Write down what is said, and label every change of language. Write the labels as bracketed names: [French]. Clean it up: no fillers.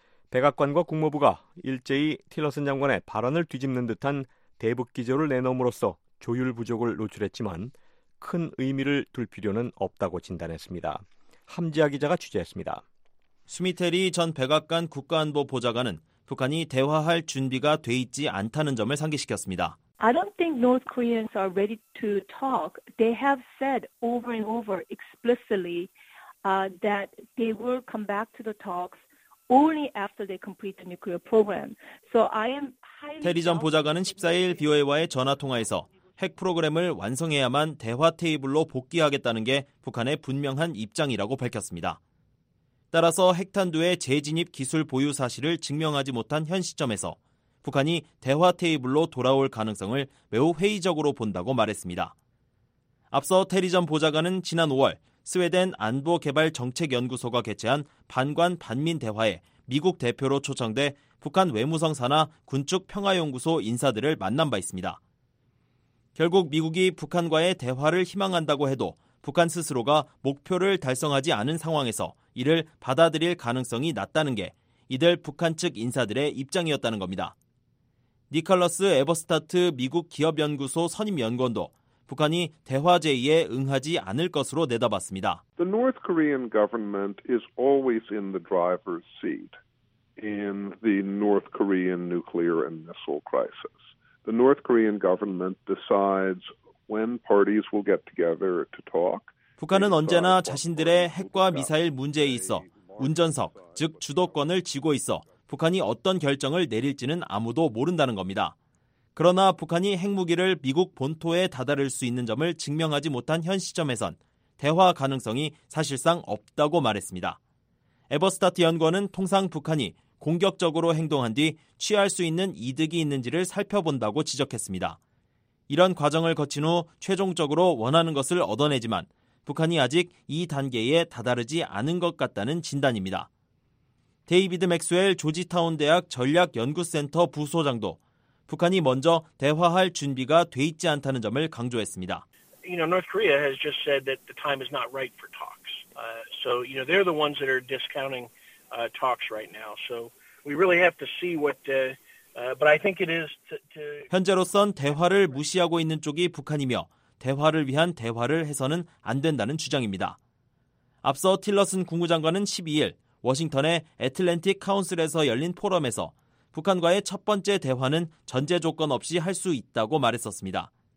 [Korean] 백악관과 국무부가 일제히 틸러슨 장관의 발언을 뒤집는 듯한 대북 기조를 내놓음으로써 조율 부족을 노출했지만 큰 의미를 둘 필요는 없다고 진단했습니다. 함지아 기자가 취재했습니다. 스미테리 전 백악관 국가안보보좌관은 북한이 대화할 준비가 돼 있지 않다는 점을 상기시켰습니다. [English] I don't think North Koreans are ready to talk. They have said over and over explicitly that they will come back to the talks only after they complete the nuclear program. So I am highly. [Korean] 테리 전 보좌관은 14일 BOA와의 전화 통화에서 핵 프로그램을 완성해야만 대화 테이블로 복귀하겠다는 게 북한의 분명한 입장이라고 밝혔습니다. 따라서 핵탄두의 재진입 기술 보유 사실을 증명하지 못한 현 시점에서 북한이 대화 테이블로 돌아올 가능성을 매우 회의적으로 본다고 말했습니다. 앞서 테리 전 보좌관은 지난 5월 스웨덴 안보개발정책연구소가 개최한 반관 반민 대화에 미국 대표로 초청돼 북한 외무성 산하 군축평화연구소 인사들을 만난 바 있습니다. 결국 미국이 북한과의 대화를 희망한다고 해도 북한 스스로가 목표를 달성하지 않은 상황에서 이를 받아들일 가능성이 낮다는 게 이들 북한 측 인사들의 입장이었다는 겁니다. 니컬러스 에버스타트 미국 기업연구소 선임연구원도 북한이 대화 제의에 응하지 않을 것으로 내다봤습니다. [English] The North Korean government is always in the driver's seat in the North Korean nuclear and missile crisis. The North Korean government decides when parties will get together to talk. [Korean] 북한은 언제나 자신들의 핵과 미사일 문제에 있어 운전석, 즉 주도권을 쥐고 있어 북한이 어떤 결정을 내릴지는 아무도 모른다는 겁니다. 그러나 북한이 핵무기를 미국 본토에 다다를 수 있는 점을 증명하지 못한 현 시점에선 대화 가능성이 사실상 없다고 말했습니다. 에버스타트 연구원은 통상 북한이 공격적으로 행동한 뒤 취할 수 있는 이득이 있는지를 살펴본다고 지적했습니다. 이런 과정을 거친 후 최종적으로 원하는 것을 얻어내지만 북한이 아직 이 단계에 다다르지 않은 것 같다는 진단입니다. 데이비드 맥스웰 조지타운 대학 전략연구센터 부소장도 북한이 먼저 대화할 준비가 돼 있지 않다는 점을 강조했습니다. [English] You know, North Korea has just said that the time is not right for talks. So, you know, they're the ones that are discounting talks right now. So, we really have to see what but I think it is to [Korean] 현재로선 대화를 무시하고 있는 쪽이 북한이며 대화를 위한 대화를 해서는 안 된다는 주장입니다. 앞서 틸러슨 국무장관은 12일 워싱턴의 애틀랜틱 카운슬에서 열린 포럼에서 북한과의 첫 번째 대화는 전제 조건 없이 할 수 있다고 말했었습니다.